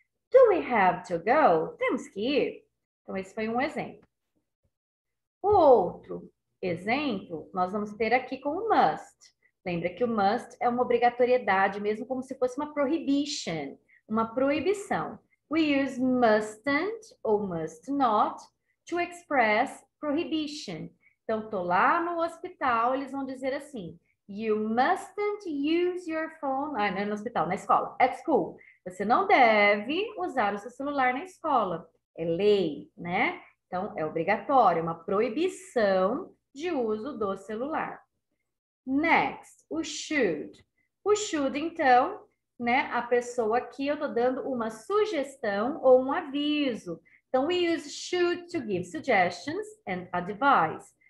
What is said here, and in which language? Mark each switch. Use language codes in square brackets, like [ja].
[en] Do we have to go? [pt] Temos que ir. Então, esse foi um exemplo. Outro exemplo, nós vamos ter aqui com o must. Lembra que o must é uma obrigatoriedade, mesmo como se fosse uma prohibition, uma proibição. [en] We use mustn't [pt] ou [en] must not to express prohibition. [pt] Então, tô lá no hospital, eles vão dizer assim: [en] You mustn't use your phone. [pt] Ah, não é no hospital, na escola. [en] At school. [pt] Você não deve usar o seu celular na escola. É lei, né? Então, é obrigatório, uma proibição de uso do celular. [en] Next, [pt] o should. O should, então, né? A pessoa aqui, eu estou dando uma sugestão ou um aviso. [en] Então, we use should to give suggestions and advice.